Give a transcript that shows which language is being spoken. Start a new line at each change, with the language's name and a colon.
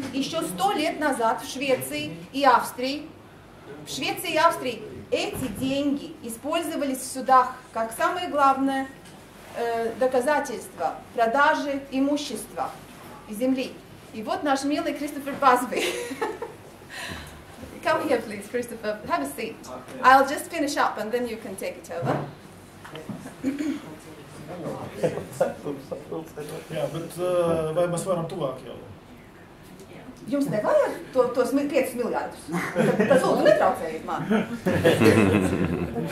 Russian: Еще 100 лет назад в Швеции и Австрии. В Швеции и Австрии эти деньги использовались в судах как самое главное доказательство продажи имущества земли. И вот наш милый Кристофер Басби.
English: Come here, please, Christopher. Have a seat. I'll just finish up and then you can take it over.
Latvian: Jā, bet vai mēs varam tuvāk jau? Jums nevajag tos 5 miljārdus? Tas lūdzu netraucējiet mani.